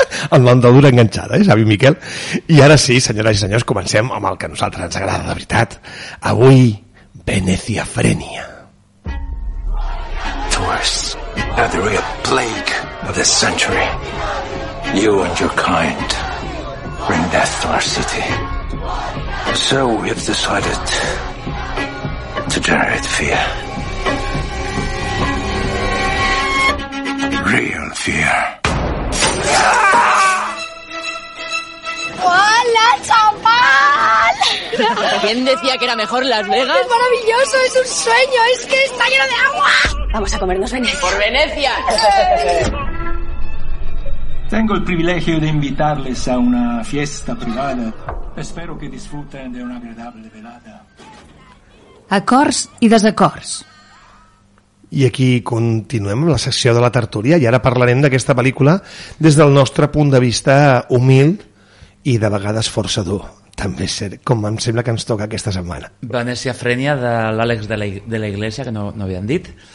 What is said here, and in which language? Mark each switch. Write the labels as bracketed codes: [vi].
[ca] amb l'andadura enganxada, eh, Xavi Miquel? I ara sí, senyores i senyors, comencem amb el que a nosaltres ens agrada de veritat. Avui, Veneciafrènia. [en] Thors, now there is a plague of this century. You and your kind bring death to our city. So we have decided to generate fear. Real fear. [es] ¡Hola, chaval! ¿Quién decía que era mejor Las Vegas? ¡Es maravilloso! ¡Es un sueño! ¡Es que está lleno de agua! Vamos a comernos Venecia. ¡Por Venecia! Tengo el privilegio de invitarles a una fiesta privada. Espero que disfruten de una agradable velada. [ca] Acords i desacords. I aquí continuem la secció de la tertúlia i ara parlarem d'aquesta pel·lícula des del nostre punt de vista humil i de vegades força dur, també és cert, com em sembla que ens toca aquesta setmana. Veneciafrènia de l'Àlex de la Iglesia, que no havien dit.